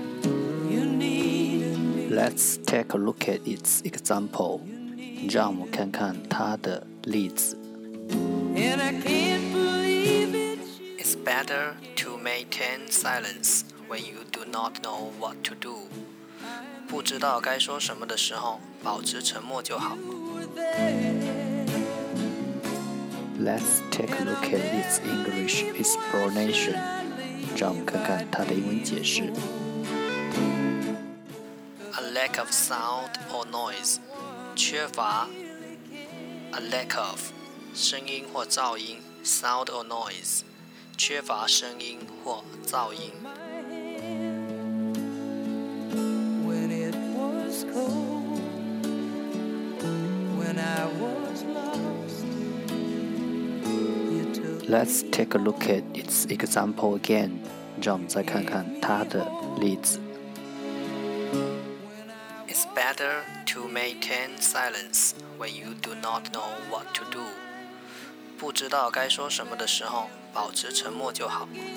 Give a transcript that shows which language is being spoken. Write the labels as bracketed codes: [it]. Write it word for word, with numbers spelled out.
[en] Let's take a look at its example. [zh] 让我们看看它的例子。 [en] It's better to maintain silence when you do not know what to do. [zh] 不知道该说什么的时候，保持沉默就好。 [en] Let's take a look at its English explanation. [zh] 让我们看看它的英文解释。 [en] A lack of sound or noise. [zh] 缺乏 [en] a lack of [zh] 声音或噪音 [en] sound or noise [zh] 缺乏声音或噪音。 [en] When it was cold, when I was lost, you took... Let's take a look at its example again. [zh] 让我们再看看它的例子。 [en] It's better to maintain silence when you do not know what to do. [zh] 不知道该说什么的时候，保持沉默就好。